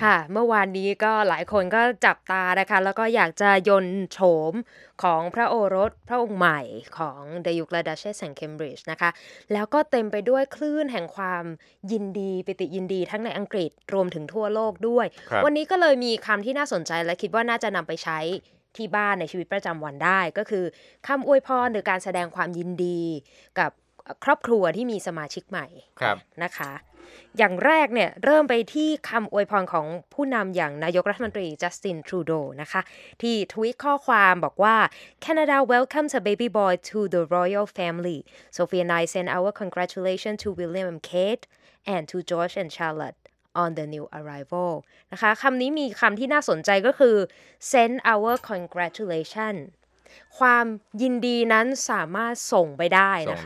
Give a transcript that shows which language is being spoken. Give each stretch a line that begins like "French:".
Thai: ค่ะเมื่อวานนี้ก็หลายคนก็จับตานะคะแล้วก็อยากจะยนโฉมของพระโอรสพระองค์ใหม่ของเดยุกและดัชเชสแห่งเคมบริดจ์นะคะแล้วก็เต็มไปด้วยคลื่นแห่งความยินดีปิติยินดีทั้งในอังกฤษรวมถึงทั่วโลกด้วยวันนี้ก็เลยมีคำที่น่าสนใจและคิดว่าน่าจะนำไปใช้ที่บ้านในชีวิตประจำวันได้ก็คือคำอวยพรหรือการแสดงความยินดีกับครอบครัวที่มีสมาชิกใหม่ นะคะอย่างแรกเนี่ยเริ่มไปที่คำอวยพรของผู้นำอย่างนายกรัฐมนตรีจัสตินทรูโดนะคะที่ทวีตข้อความบอกว่า
English: Canada welcomes a baby boy to the royal family. Sophie and I send our congratulations to William and Kate and to George and Charlotte on the new arrival.
Thai: นะคะคำนี้มีคำที่น่าสนใจก็คือ
English: send our congratulations.
Thai: ความยินดีนั้นสามารถส่งไปได้นะคะ